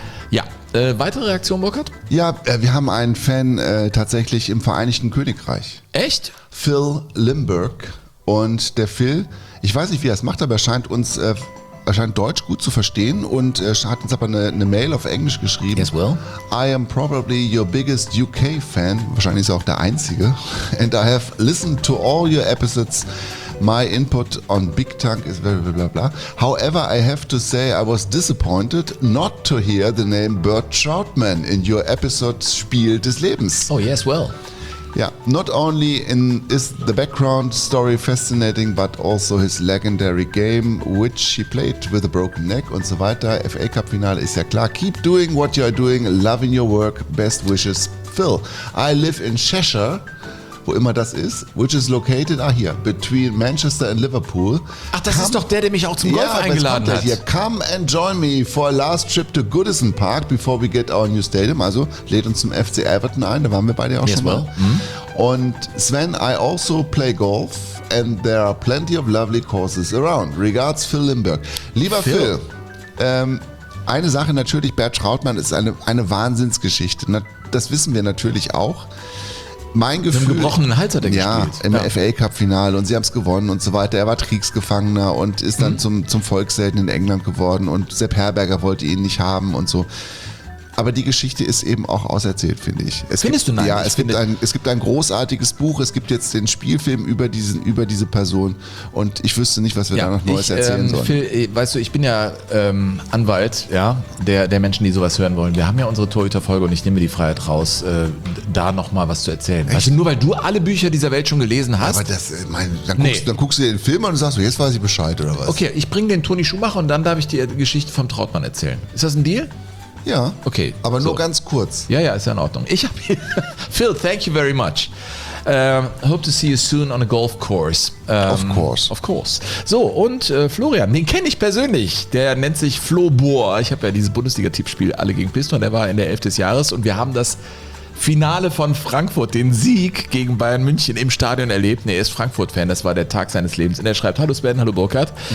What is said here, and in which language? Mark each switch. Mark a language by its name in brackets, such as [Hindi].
[German] Ja, weitere Reaktion, Burkhard? Ja, wir haben einen Fan tatsächlich im Vereinigten Königreich. Echt? Phil Limburg. Und der Phil, ich weiß nicht, wie er es macht, aber er scheint Deutsch gut zu verstehen und hat uns aber eine Mail auf Englisch geschrieben. [English] Yes, well. I am probably your biggest UK fan. [German] Wahrscheinlich ist er auch der Einzige. [English] And I have listened to all your episodes. My input on Big Tank is blah, blah, blah, blah. However, I have to say I was disappointed not to hear the name Bert Trautmann in your episode Spiel des Lebens. Oh, yes, well. Yeah, not only is the background story fascinating, but also his legendary game, which he played with a broken neck und so weiter. [German] FA Cup Finale ist ja klar. [English] Keep doing what you are doing, loving your work, best wishes, Phil. I live in Cheshire, wo immer das ist, which is located, hier, between Manchester and Liverpool. [German] Ach, das ist doch der mich auch zum Golf eingeladen hat. Hier. [English] Come and join me for a last trip to Goodison Park before we get our new stadium. [German] Also lädt uns zum FC Everton ein, da waren wir beide auch schon mal. [English] Und Sven, I also play golf and there are plenty of lovely courses around. Regards, Phil Limburg. [German] Lieber Phil, eine Sache natürlich, Bert Trautmann ist eine Wahnsinnsgeschichte. Das wissen wir natürlich auch. Mein Gefühl. Mit einem gebrochenen Hals hat er gespielt. Im FA Cup-Finale und sie haben es gewonnen und so weiter. Er war Kriegsgefangener und ist dann zum Volkshelden in England geworden und Sepp Herberger wollte ihn nicht haben und so. Aber die Geschichte ist eben auch auserzählt, finde ich. Es gibt ein großartiges Buch, es gibt jetzt den Spielfilm über diese Person und ich wüsste nicht, was wir da noch Neues erzählen sollen. Phil, weißt du, ich bin ja Anwalt der Menschen, die sowas hören wollen. Wir haben ja unsere Torhüter-Folge und ich nehme mir die Freiheit raus, da nochmal was zu erzählen. Echt? Weißt du, nur weil du alle Bücher dieser Welt schon gelesen hast. Aber dann guckst du dir den Film an und sagst, jetzt weiß ich Bescheid oder was? Okay, ich bringe den Toni Schumacher und dann darf ich die Geschichte vom Trautmann erzählen. Ist das ein Deal? Ja, okay, aber nur ganz kurz. Ja, ist ja in Ordnung. Ich habe hier, Phil, thank you very much. [English] Hope to see you soon on a golf course. Of course. [German] So, und Florian, den kenne ich persönlich. Der nennt sich Flo Bohr. Ich habe ja dieses Bundesliga-Tippspiel alle gegen Piston. Der war in der Elf des Jahres und wir haben das Finale von Frankfurt, den Sieg gegen Bayern München im Stadion erlebt. Er ist Frankfurt-Fan, das war der Tag seines Lebens. Und er schreibt, hallo Sven, hallo Burkhard.